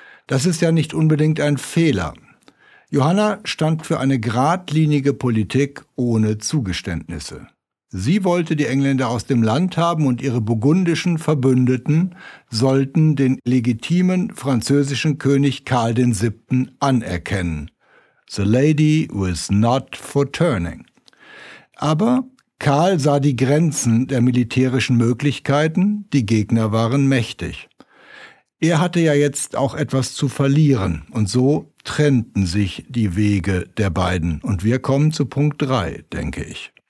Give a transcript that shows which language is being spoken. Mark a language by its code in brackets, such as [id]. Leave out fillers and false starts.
[de] Das ist ja nicht unbedingt ein Fehler. Johanna stand für eine geradlinige Politik ohne Zugeständnisse. Sie wollte die Engländer aus dem Land haben und ihre burgundischen Verbündeten sollten den legitimen französischen König Karl den VII. Anerkennen. [en] The lady was not for turning. [de] Aber Karl sah die Grenzen der militärischen Möglichkeiten, die Gegner waren mächtig. Er hatte ja jetzt auch etwas zu verlieren und so trennten sich die Wege der beiden. Und wir kommen zu Punkt 3, denke ich.